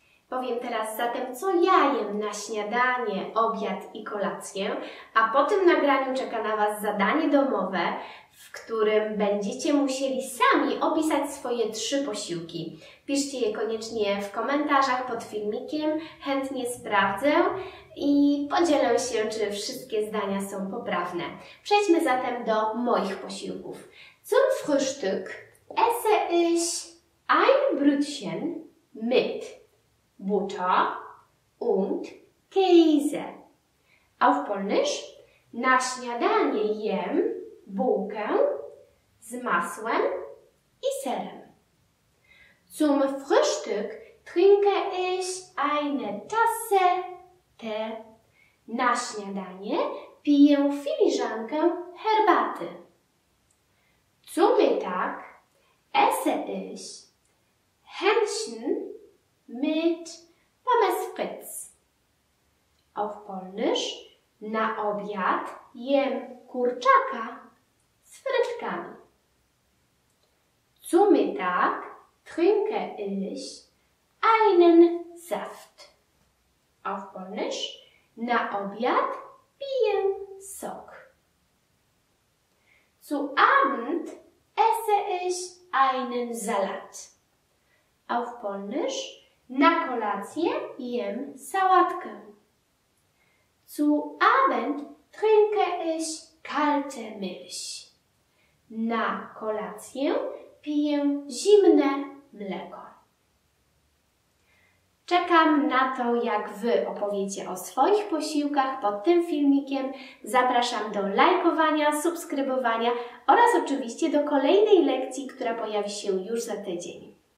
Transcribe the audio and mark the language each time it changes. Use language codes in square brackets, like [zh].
[pl] Powiem teraz zatem, co ja jem na śniadanie, obiad i kolację, a po tym nagraniu czeka na Was zadanie domowe, w którym będziecie musieli sami opisać swoje trzy posiłki. Piszcie je koniecznie w komentarzach pod filmikiem, chętnie sprawdzę i podzielę się, czy wszystkie zdania są poprawne. Przejdźmy zatem do moich posiłków. [de] Zum Frühstück esse ich ein Brötchen mit Butter und Käse. Auf Polnisch. [pl] Na śniadanie jem bułkę z masłem i serem. [de] Zum Frühstück trinke ich eine Tasse Tee. [pl] Na śniadanie piję filiżankę herbaty. [de] Zum Mittag esse ich Hähnchen mit Pommes frites. Auf Polnisch. [pl] Na obiad jem kurczaka z frytkami. [de] Zum Mittag trinke ich einen Saft. Auf Polnisch [pl] na obiad piję sok. [de] Zu Abend esse ich einen Salat. Auf Polnisch [pl] na kolację jem sałatkę. [de] Zu Abend trinke ich kalte Milch. [pl] Na kolację piję zimne mleko. Czekam na to, jak Wy opowiecie o swoich posiłkach pod tym filmikiem. Zapraszam do lajkowania, subskrybowania oraz oczywiście do kolejnej lekcji, która pojawi się już za tydzień.